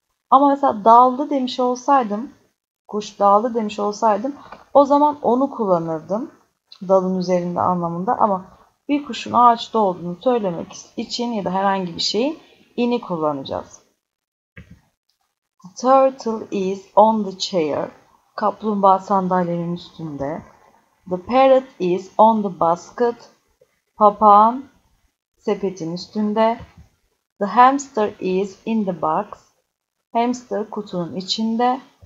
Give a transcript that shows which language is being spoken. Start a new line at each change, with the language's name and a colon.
Turkish: Ama mesela daldı demiş olsaydım, kuş daldı demiş olsaydım, o zaman onu kullanırdım. Dalın üzerinde anlamında, ama bir kuşun ağaçta olduğunu söylemek için ya da herhangi bir şeyin in'i kullanacağız.
English: Turtle is on the chair.
Turkish: Kaplumbağa sandalyenin üstünde.
English: The parrot is on the basket.
Turkish: Papağan sepetin üstünde.
English: The hamster is in the box.
Turkish: Hamster kutunun içinde.